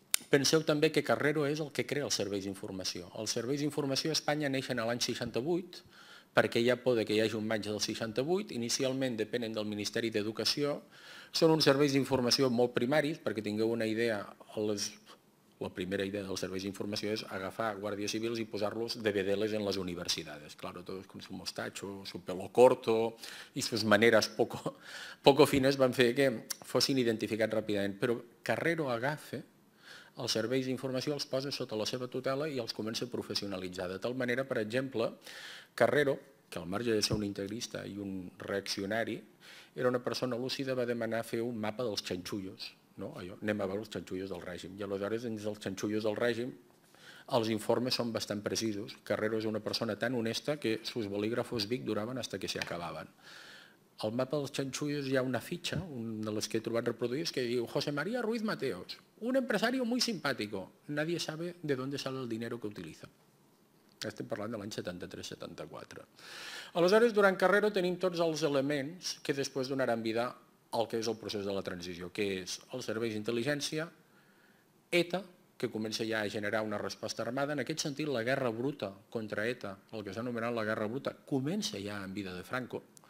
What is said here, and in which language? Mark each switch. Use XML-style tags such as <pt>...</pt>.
<ca>Penseu també que Carrero és el que crea els serveis d'informació. Els serveis d'informació a Espanya neixen a l'any 68, perquè hi ha por que hi hagi un maig del 68, inicialment depenen del Ministeri d'Educació, són uns serveis d'informació molt primaris, perquè tingueu una idea, la primera idea dels serveis d'informació és agafar guàrdies civils i posar-los de vedeles en les universitats.</ca> <es>Claro, todos con su mostacho, su pelo corto y sus maneras poco fines</es> <ca>van fer que fossin identificats ràpidament. Però Carrero agafa els serveis d'informació, els posa sota la seva tutela i els comença a professionalitzar. De tal manera, per exemple, Carrero, que al marge de ser un integrista i un reaccionari, era una persona lúcida, va demanar fer un mapa dels xanxullos, no? Allò, anem a veure els xanxullos del règim. I aleshores, dins dels xanxullos del règim, els informes són bastant precisos. Carrero és una persona tan honesta que</ca> <es>sus bolígrafos</es> <ca>Vic duraven fins que s'hi acabaven. Al mapa dels xanxullos hi ha una fitxa, una de les que he trobat reproduïdes, que diu José María Ruiz Mateos, un empresari</ca> <es>muy simpático. Nadie sabe de dónde sale el dinero que utiliza.</es> <ca>Estem parlant de l'any 73-74. Aleshores, durant Carrero tenim tots els elements que després donaran vida al que és el procés de la transició, que és els serveis d'intel·ligència, ETA, que comença ja a generar una resposta armada. En aquest sentit, la guerra bruta contra ETA, el que s'ha anomenat la guerra bruta, comença ja en vida de Franco.</ca>